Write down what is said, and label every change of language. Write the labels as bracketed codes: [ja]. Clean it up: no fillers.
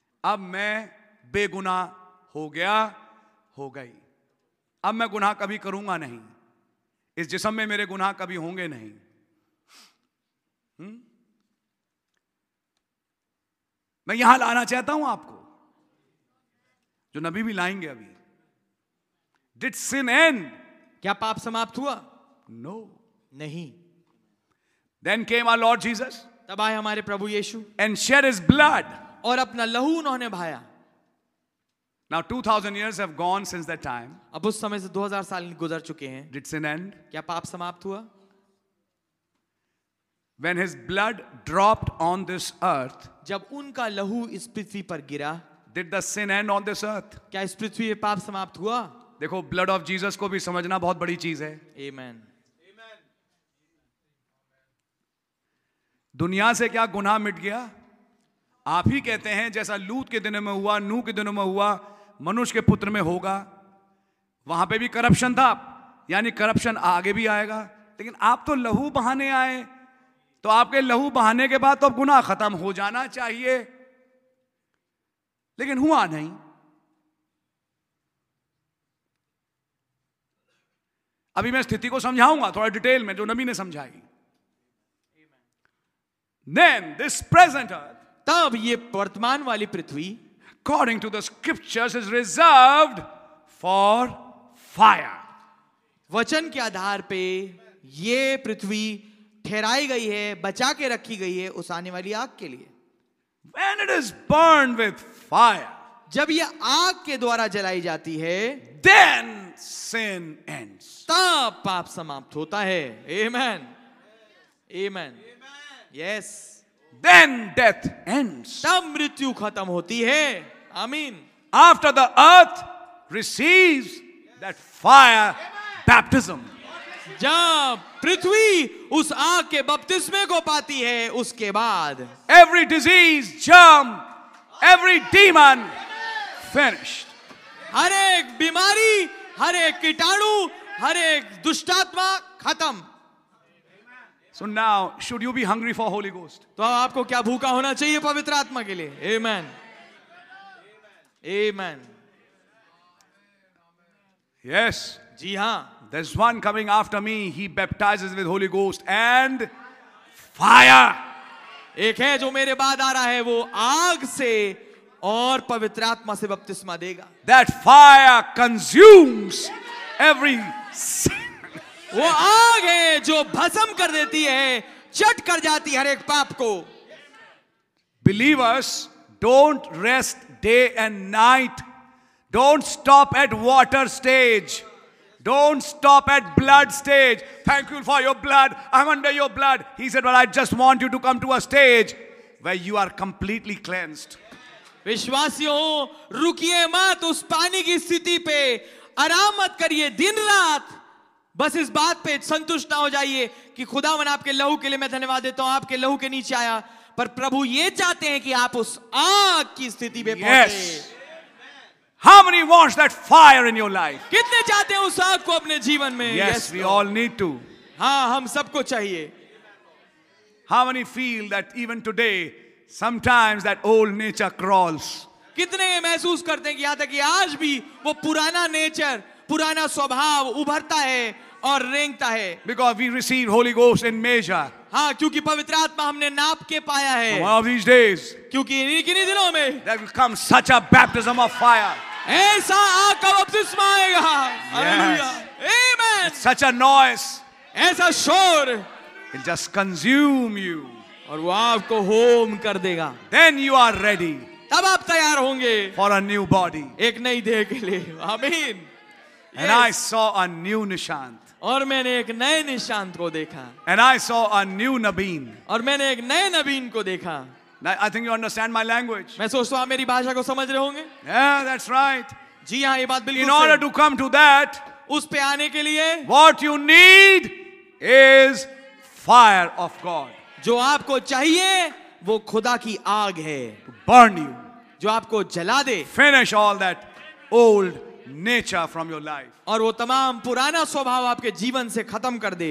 [hi] अब मैं बेगुनाह हो गया हो गई अब मैं गुनाह कभी करूंगा नहीं इस जिस्म में मेरे गुनाह कभी होंगे नहीं मैं यहां लाना चाहता हूं आपको जो नबी भी लाएंगे अभी [en] did sin end [hi] क्या पाप समाप्त हुआ [en] no [hi] नहीं [en] then came our Lord Jesus [hi] तब आए हमारे प्रभु यीशु [en] and shed his blood [hi] और अपना लहू उन्होंने बहाया [en] Now 2000 years have gone since that time. [hi] अब उस समय से 2000 साल गुजर चुके हैं. [en] Did sin end? [hi] क्या पाप समाप्त हुआ? [en] When his blood dropped on this earth, [hi] जब उनका लहू इस पृथ्वी पर गिरा, [en] did the sin end on this earth? [hi] क्या इस पृथ्वी पे पाप समाप्त हुआ? देखो, [en] blood of Jesus [hi] को भी समझना बहुत बड़ी चीज है. Amen. Amen. दुनिया से क्या गुनाह मिट गया? आप ही कहते हैं जैसा लूत के दिनों में हुआ नूह के दिनों में हुआ मनुष्य के पुत्र में होगा वहां पे भी करप्शन था यानी करप्शन आगे भी आएगा लेकिन आप तो लहू बहाने आए, तो आपके लहू बहाने के बाद तो गुनाह खत्म हो जाना चाहिए, लेकिन हुआ नहीं। अभी मैं स्थिति को समझाऊंगा थोड़ा डिटेल में जो नबी ने समझाई। [en] Then this present earth, [hi] तब ये वर्तमान वाली पृथ्वी, [en] according to the scriptures, is reserved for fire. [hi] वचन के आधार पे ये पृथ्वी ठहराई गई है, बचा के रखी गई है उस आने वाली आग के लिए। [en] When it is burned with fire, [hi] जब ये आग के द्वारा जलाई जाती है, [en] then sin ends. [hi] तब पाप समाप्त होता है। [en] Amen. Amen. Yes. Then death ends. [hi] तब मृत्यु खत्म होती है। Amen. [en] After the earth receives that fire baptism. [hi] जब पृथ्वी उस आग के बपतिस्मे को पाती है, उसके बाद [en] every disease, germ, every demon finished. [hi] हर एक बीमारी, हर एक कीटाणु, हर एक दुष्टात्मा खत्म। [en] So now, should you be hungry for Holy Ghost? [hi] तो आपको क्या भूखा होना चाहिए पवित्र आत्मा के लिए? Amen. Amen. [en] Yes. [hi] जी हाँ. [en] There's one coming after me. He baptizes with Holy Ghost and fire. [hi] एक है जो मेरे बाद आ रहा है, वो आग से और पवित्र आत्मा से बपतिस्मा देगा। [en] That fire consumes every sin. [hi] वो आग है जो भस्म कर देती है, चट कर जाती है हर एक पाप को। [en] Believers, don't rest day and night. Don't stop at water stage. Don't stop at blood stage. Thank you for your blood. I'm under your blood. He said, but I just want you to come to a stage where you are completely cleansed. [hi] विश्वासियों, रुकिए मत उस पानी की स्थिति पे, आराम मत करिए दिन रात। बस इस बात पे संतुष्ट ना हो जाइए कि खुदावन आपके लहू के लिए मैं धन्यवाद देता हूं, आपके लहू के नीचे आया, पर प्रभु ये चाहते हैं कि आप उस आग की स्थिति में पहुंचे। [en] Yes. How many wants that fire in your life? [hi] कितने चाहते हैं उस आग को अपने जीवन में? [en] Yes, yes, we all need to. [hi] हाँ, हम सबको चाहिए। [en] How many feel that even today, sometimes that old nature crawls? [hi] कितने महसूस करते हैं कि यहां तक कि आज भी वो पुराना नेचर, पुराना स्वभाव उभरता है और रेंगता है। [en] Because we receive Holy Ghost in measure. [hi] हाँ, क्योंकि पवित्र आत्मा हमने नाप के पाया है। [en] One of these days. [hi] क्योंकि इन्हीं दिनों में [en] there will come such a baptism of fire. [hi] ऐसा आग का बपतिस्मा आएगा। Hallelujah. Amen. [en] Such a noise. [hi] ऐसा शोर। [en] It'll just consume you. [hi] और वो आपको होम कर देगा। [en] Then you are ready. [hi] तब आप तैयार होंगे। [en] For a new body. [hi] एक नई देह के लिए। Amen. [en] And I saw a new Nishant. [hi] और मैंने एक नए निशांत को देखा। [en] And I saw a new Nabeen. [hi] और मैंने एक नए नबीन को देखा। [en] Now, I think you understand my language. [hi] मैं सोचता हूँ आप मेरी भाषा को समझ रहे होंगे। [en] Yeah, that's right. [hi] जी हाँ, ये बात बिल्कुल। [en] In order to come to that, [hi] उस पे आने के लिए, [en] what you need is fire of God. [hi] जो आपको चाहिए वो खुदा की आग है। [en] Burn you. [hi] जो आपको जला दे। [en] Finish all that old nature from your life. [hi] और वो तमाम पुराना स्वभाव आपके जीवन से खत्म कर दे।